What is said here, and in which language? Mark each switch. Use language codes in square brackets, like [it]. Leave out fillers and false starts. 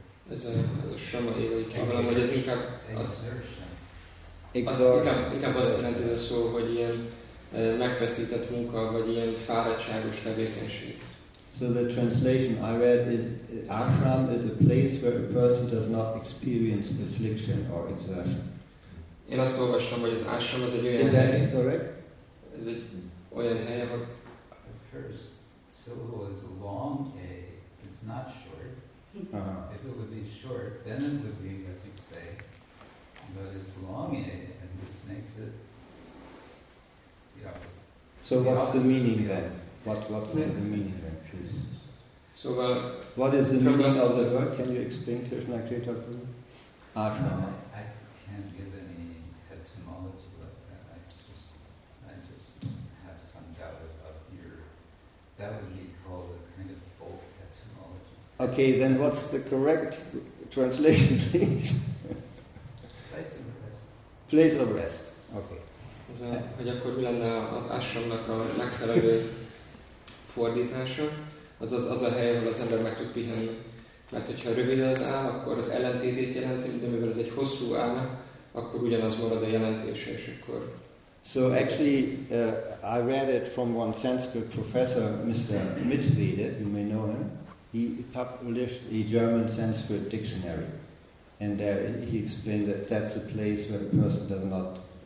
[hu] Ez a shrama evaki kevalam, vagy ez inkább inkább azt jelenti a szó, hogy ilyen megfeszített munka, vagy ilyen fáradtságos tevékenység. [en] So the translation I read is ashram is a place where a person does not experience affliction or exertion. [hu] Én azt olvastam, hogy az ashram az egy olyan [en] hely. Is that hely, correct? [hu] Ez egy olyan hely, ahol... [en] The first syllable is a long A. It's not short. Uh-huh. If it would be short, then it would be what you say. But it's long A, and this makes it... So what's the meaning then? What's yeah. the meaning then, please? So well, what is the meaning of the word? Can you explain, Krishna Kreta? Ashrama. I can't give any etymology like that. I just have some doubt about your. That would be called a kind of folk etymology. Okay, then what's the correct translation, please? Place of rest. Place of rest. Okay. [hu] Hogy akkor mi lenne az ashramnak a megfelelő fordítása, az a hely, ahol az ember meg tud pihenni. Mert hogyha rövid az á, akkor az ellentétét jelenti, de mivel ez egy hosszú á, akkor ugyanaz marad a jelentése, és akkor... [en] So actually, I read it from one Sanskrit professor, Mr. Mitvede, you may know him. He published a German Sanskrit dictionary. And there he explained that that's a place where a person does not...